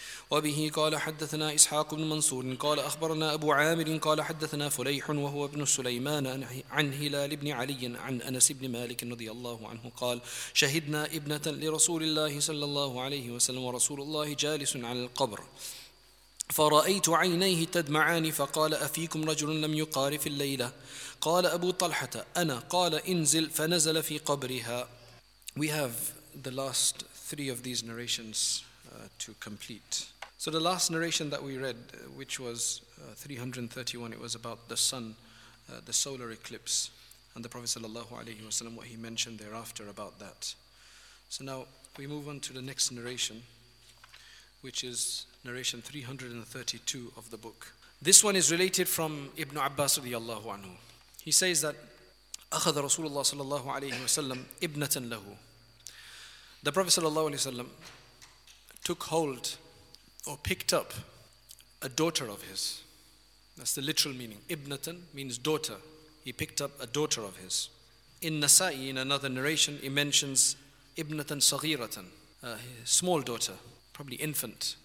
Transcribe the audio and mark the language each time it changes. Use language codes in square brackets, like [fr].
[ar] وبه قال حدثنا إسحاق بن منصور قال أخبرنا أبو عامر قال حدثنا فليح وهو ابن سليمان عن هلال بن علي عن أنس بن مالك رضي الله عنه قال شهدنا ابنة لرسول الله صلى الله عليه وسلم ورسول الله جالس على القبر فرأيت عينيه تدمعان فقال أفيكم رجل لم يقارف الليلة قال أبو طلحة أنا قال انزل فنزل في قبرها. [en] We have the last three of these narrations to complete. So the last narration that we read, which was 331, it was about the sun, the solar eclipse, and the Prophet sallallahu alaihi wasallam, what he mentioned thereafter about that. So now we move on to the next narration, which is narration 332 of the book. This one is related from Ibn Abbas radiyallahu anhu. He says that [ar] أَخَذَ رَسُولُ اللَّهِ صَلَى اللَّهُ عَلَيْهِ وَسَلَّمْ إِبْنَةً لَهُ. [en] The Prophet sallallahu alaihi wasallam took hold or picked up a daughter of his. That's the literal meaning. Ibnatan means daughter. He picked up a daughter of his. In Nasa'i, in another narration, he mentions Ibnatan Saghiratan, a small daughter, probably infant.